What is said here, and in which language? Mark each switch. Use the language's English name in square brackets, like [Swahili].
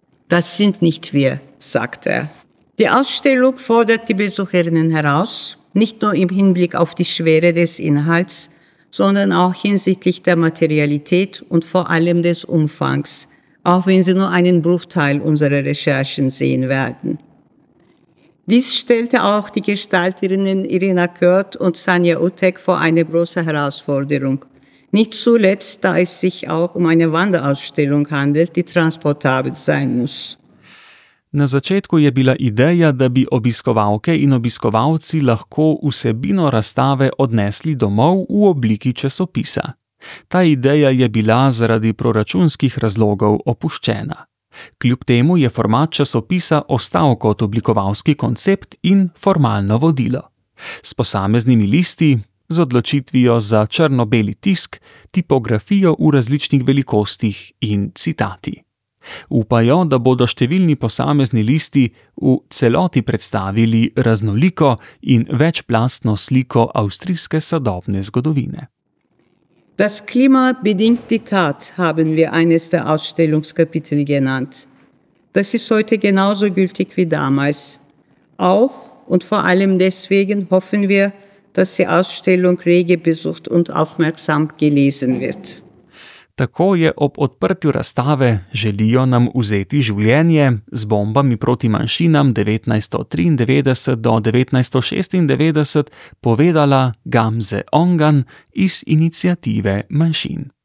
[German] Das sind nicht wir, sagt er. Die Ausstellung fordert die Besucherinnen heraus, nicht nur im Hinblick auf die Schwere des Inhalts, sondern auch hinsichtlich der Materialität und vor allem des Umfangs, auch wenn sie nur einen Bruchteil unserer Recherchen sehen werden. Dies stellte auch die Gestalterinnen Irina Kört und Sanja Utek vor eine große Herausforderung. Nicht zuletzt, da es sich auch um eine Wanderausstellung handelt, die transportabel sein muss. [Slovenian] Na začetku je bila ideja, da bi obiskovalke in obiskovalci lahko vsebino razstave odnesli domov v obliki časopisa. Ta ideja je bila zaradi proračunskih razlogov opuščena. Kljub temu je format časopisa ostal kot oblikovalski koncept in formalno vodilo. S posameznimi listi, z odločitvijo za črno-beli tisk, tipografijo v različnih velikostih in citati. Upajo, da bodo številni posamezni listi v celoti predstavili raznoliko in večplastno sliko avstrijske sodobne zgodovine. [German] Das Klima bedingt die Tat, haben wir eines der Ausstellungskapitel genannt. Das ist heute genauso gültig wie damals. Auch und vor allem deswegen hoffen wir, dass die Ausstellung rege besucht und aufmerksam gelesen wird. [Slovenian] Tako je ob odprtju razstave Želijo nam vzeti življenje z bombami proti manjšinam 1993 do 1996 povedala Gamze Ongan iz inicijative manjšin.